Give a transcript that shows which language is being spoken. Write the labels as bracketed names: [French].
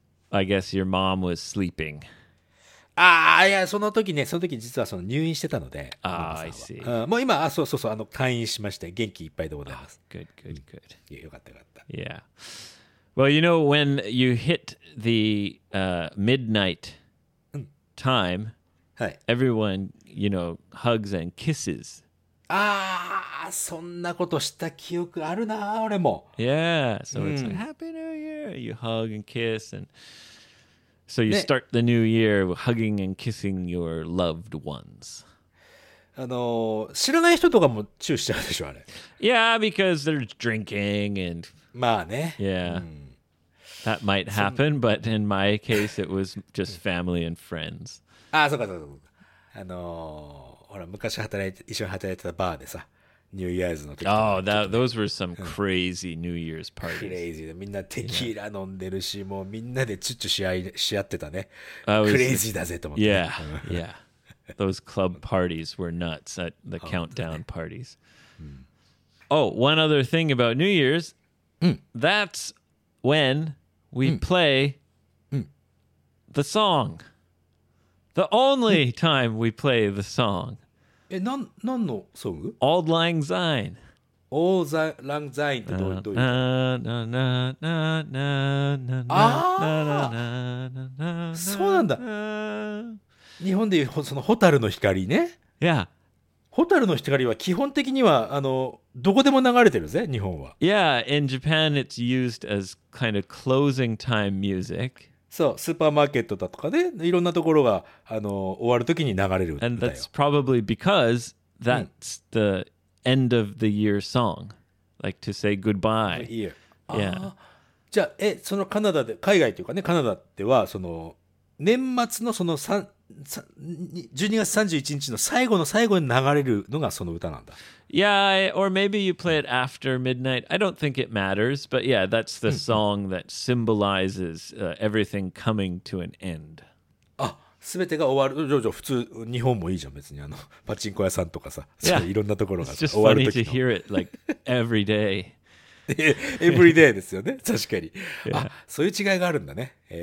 [English] I guess your mom was sleeping. Ah, yeah. [Japanese] その時ね、その時実はその入院してたので。 [English] Ah, I see. [Japanese] もう今、あ、そうそうそう、あの、退院しました。元気いっぱいでございます。 [English] Good, good, good. [Japanese] よかったよかった。 [English] Yeah. Well, you know, when you hit the midnight time, everyone, you know, hugs and kisses. [Japanese] Ah, そんなことした記憶あるな、俺も。 [English] Yeah. So it's like Happy New Year. You hug and kiss, and so you start the new year hugging and kissing your loved ones. [Japanese] 知らない人とかもチューしちゃうでしょ、あれ。 [English] Yeah, because they're drinking and. [Japanese] まあね。 [English] Yeah.、That might happen, but in my case, it was just family and friends. [Japanese] ああ、そうかそうか。ほら、昔一緒に働いてたバーでさ。 New Year's の時。 [English] Oh, those were some crazy New Year's parties. Crazy. [Japanese] みんなテキーラ飲んでるし、もうみんなでチュッチュし合ってたね。 Crazy だぜと思って。 [English] Yeah, yeah. Those club parties were nuts at the countdown parties. Oh, one other thing about New Year's. That's when we play the song. The only time we play the song. [Japanese] 何のソング? [English] Auld Lang Syne. [Japanese] Auld Lang Syne ってどういう? Na na na na na na na na na na na na. そうなんだ。日本でいうその蛍の光ね。 [English] Yeah. [Japanese] 蛍の光は基本的にはどこでも流れてるぜ、日本は。 [English] Yeah, in Japan it's used as kind of closing time music. そう、スーパーマーケットだとかね、いろんなところが終わるときに流れるんだよ。 And that's probably because that's the end of the year song. Like to say goodbye. Yeah. [Japanese] じゃあ、そのカナダで、海外というかね、カナダでは、その年末のその12月31日の最後の最後に流れるのがその歌なんだ。 [English] Yeah, or maybe you play it after midnight. I don't think it matters, but yeah, that's the song that symbolizes everything coming to an end. [Japanese] あ、すべてが終わる。じゃあ普通日本もいいじゃん、別にパチンコ屋さんとかさ、いろんなところが終わる時の。 [English] It's just funny to hear it like every day. every day [Japanese] ですよね、確かに。あ、そういう違いがあるんだね。